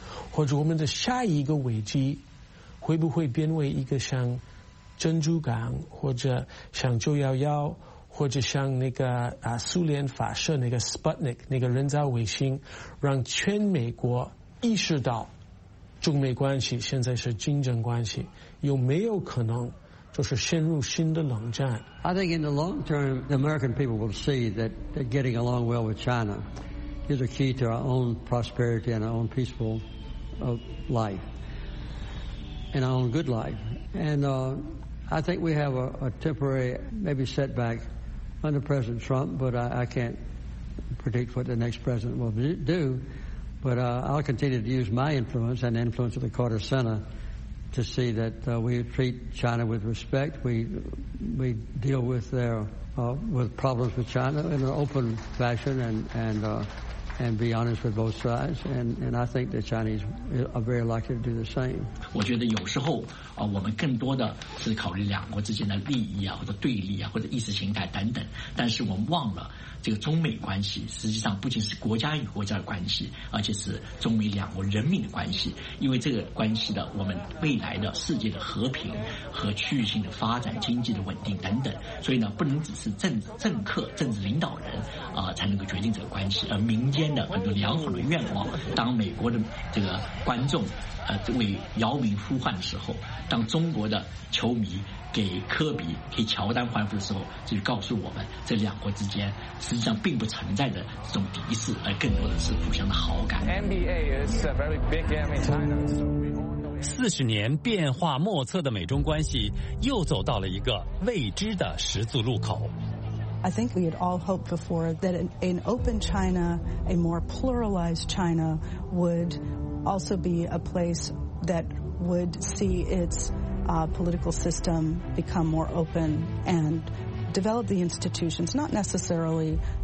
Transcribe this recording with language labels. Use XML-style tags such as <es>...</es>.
<zh>或者我们的下一个危机会不会变为一个像珍珠港，或者像911，或者像那个苏联发射那个 Sputnik 那个人造卫星，让全美国意识到中美关系现在是竞争关系，有没有可能就是陷入新的冷战？</zh> <en>I think in the long term, the American people will see that getting along well with China is a key to our own prosperity and our own peaceful life. In our own good life. And I think we have a temporary maybe setback under President Trump, but I can't predict what the next president will do, but I'll continue to use my influence and the influence of the Carter Center to see that we treat China with respect. We deal with their with problems with China in an open fashion and be honest with both sides. And I think the Chinese are very likely to do the same.</en> <zh>我觉得有时候啊，我们更多的是考虑两国之间的利益啊，或者对立啊，或者意识形态等等。但是我们忘了这个中美关系，实际上不仅是国家与国家的关系，而且是中美两国人民的关系。因为这个关系的我们未来的世界的和平和区域性的发展、经济的稳定等等。所以呢，不能只是政客、政治领导人啊才能够决定这个关系，而民间的很多良好的愿望，当美国的这个观众为姚明呼唤的时候，当中国的球迷给科比、给乔丹欢呼的时候，就告诉我们，这两国之间实际上并不存在着这种敌视，而更多的是互相的好感。</zh> <en>NBA is a very big game in China.</en> <zh>40年变化莫测的美中关系，又走到了一个未知的十字路口。</zh> <en>I think we had all hoped before that an open China, a more pluralized China, would also be a place that would see its political system become more open and develop the institutions, not necessarily</en>